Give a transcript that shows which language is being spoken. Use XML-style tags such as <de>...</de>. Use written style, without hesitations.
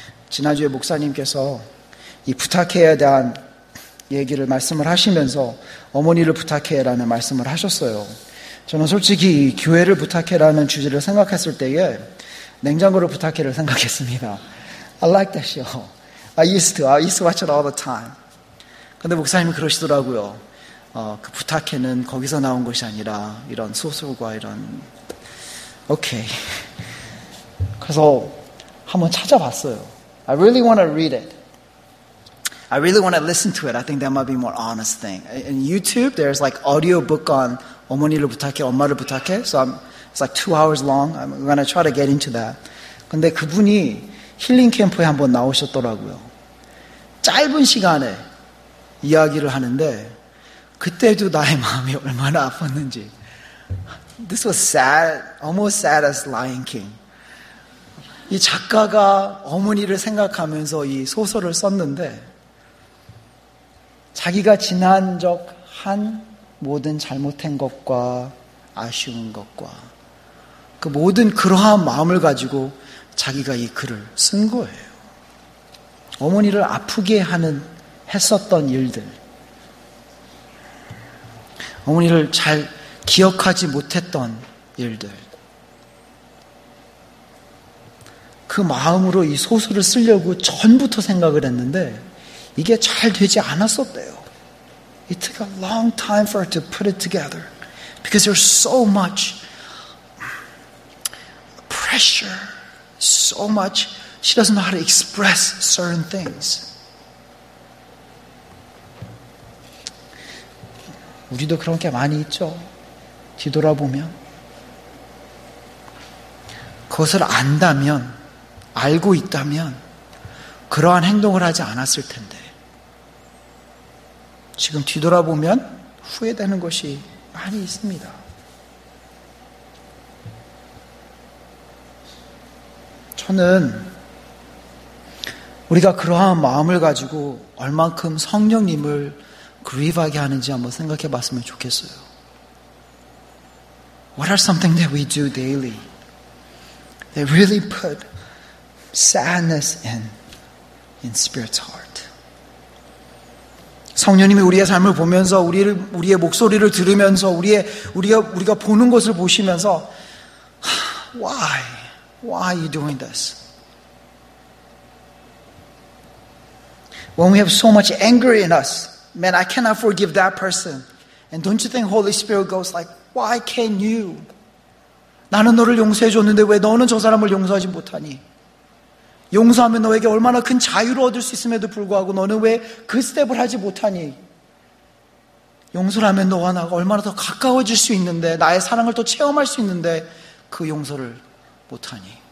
<ko>지난주에 목사님께서 이 부탁해에 대한 얘기를 말씀을 하시면서 어머니를 부탁해라는 말씀을 하셨어요. 저는 솔직히 교회를 부탁해라는 주제를 생각했을 때에 냉장고를 부탁해를 생각했습니다.</ko> <en>I like that show. I used to watch it all the time.</en> <ko>근데 목사님이 그러시더라고요. 그 부탁해는 거기서 나온 것이 아니라 이런 소설과 이런 오케이. 그래서 한번 찾아봤어요.</ko> <en>I really want to read it. I really want to listen to it. I think that might be a more honest thing. In YouTube, there's like audiobook on 어머니를 부탁해, 엄마를 부탁해. So it's like 2 hours long. I'm going to try to get into that.</en> <ko>근데 그분이 힐링 캠프에 한번 나오셨더라고요. 짧은 시간에 이야기를 하는데 그때도 나의 마음이 얼마나 아팠는지.</ko> <en>This was sad, almost sad as Lion King.</en> <ko>이 작가가 어머니를 생각하면서 이 소설을 썼는데 자기가 지난 적 한 모든 잘못된 것과 아쉬운 것과 그 모든 그러한 마음을 가지고 자기가 이 글을 쓴 거예요. 어머니를 아프게 하는 했었던 일들, 어머니를 잘 기억하지 못했던 일들, 그 마음으로 이 소설을 쓰려고 전부터 생각을 했는데 이게 잘 되지 않았었대요.</ko> <en>It took a long time for her to put it together because there's so much pressure, so much. She doesn't know how to express certain things.</en> <ko>우리도 그런 게 많이 있죠. 뒤돌아보면 그것을 안다면, 알고 있다면 그러한 행동을 하지 않았을 텐데 지금 뒤돌아보면 후회되는 것이 많이 있습니다. 저는 우리가 그러한 마음을 가지고 얼만큼 성령님을 grieve하게 하는지 한번 생각해 봤으면 좋겠어요.</ko> <en>What are something that we do daily that really put sadness in spirit's heart?</en> <ko>성령님이 우리의 삶을 보면서 우리의 목소리를 들으면서 우리가 보는 것을 보시면서</ko> <en>Why are you doing this? When we have so much anger in us, man, I cannot forgive that person. And don't you think Holy Spirit goes like, why can't you?</en> <ko>나는 너를 용서해 줬는데 왜 너는 저 사람을 용서하지 못하니? 용서하면 너에게 얼마나 큰 자유를 얻을 수 있음에도 불구하고 너는 왜 그 스텝을 하지 못하니? 용서를 하면 너와 나가 얼마나 더 가까워질 수 있는데 나의 사랑을 또 체험할 수 있는데 그 용서를 못하니?</ko>